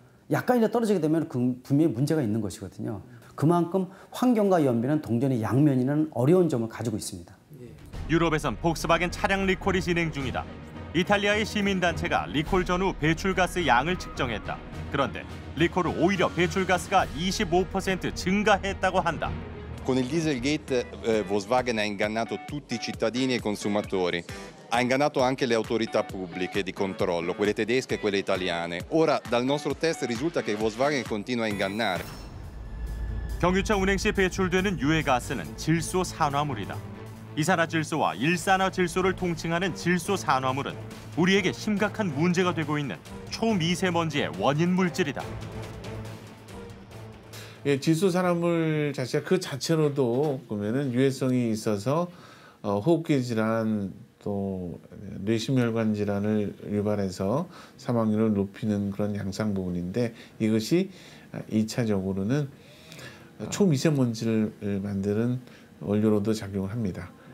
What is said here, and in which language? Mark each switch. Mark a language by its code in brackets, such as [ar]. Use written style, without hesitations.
[ko] 약간이라도 떨어지게 되면 그 분명히 문제가 있는 것이거든요. 그만큼 환경과 연비는 동전의 양면이라는 어려운 점을 가지고 있습니다. 유럽에선 폭스바겐 차량 리콜이 진행 중이다. 이탈리아의 시민단체가 리콜 전후 배출가스 양을 측정했다. 그런데 리콜 후 오히려 배출가스가 25% 증가했다고 한다. [it] Con il Dieselgate, Volkswagen ha ingannato tutti i cittadini e i consumatori. ha ingannato anche le autorità pubbliche di controllo, quelle tedesche e quelle italiane. Ora dal nostro test risulta che Volkswagen continua a ingannare. [ko] 경유차 운행 시 배출되는 유해 가스는 질소 산화물이다. 이산화 질소와 일산화 질소를 통칭하는 질소 산화물은 우리에게 심각한 문제가 되고 있는 초미세먼지의 원인 물질이다. 예, 질소 산화물 자체가 그 자체로도 보면은 유해성이 있어서 호흡기 질환 또 뇌심혈관 질환을 유발해서 사망률을 높이는 그런 양상 부분인데 이것이 2차적으로는 초미세먼지를 만드는 원료로도 작용을 합니다.